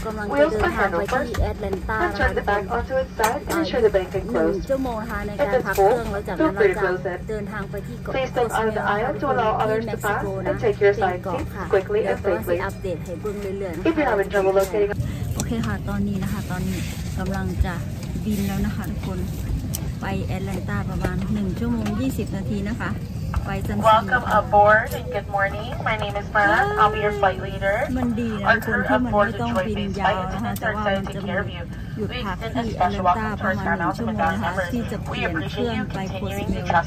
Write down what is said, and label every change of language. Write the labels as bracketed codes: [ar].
[en] Wheels can handle first. Then turn the bag onto its side and ensure the bag can close. If it's full, feel free to close it. Please step out of the aisle to allow others to pass and take your side seat quickly and safely. If you're having trouble locating, okay, ha. [th] ตอนนี้นะคะตอนนี้กำลังจะบินแล้วนะคะทุกคนไปแอตแลนต้าประมาณ1ชั่วโมง20นาทีนะคะไปจนถึง [en] Welcome aboard and good morning. My name is Mara. I'll be your flight leader. [th] มันดีนะคนที่มันไม่ต้องบินยาวนะคะแต่ว่ามันจะมีหยุดพักที่แอตแลนต้าประมาณ1ชั่วโมงนะคะที่จะเปลี่ยนเครื่องไปโคสเมล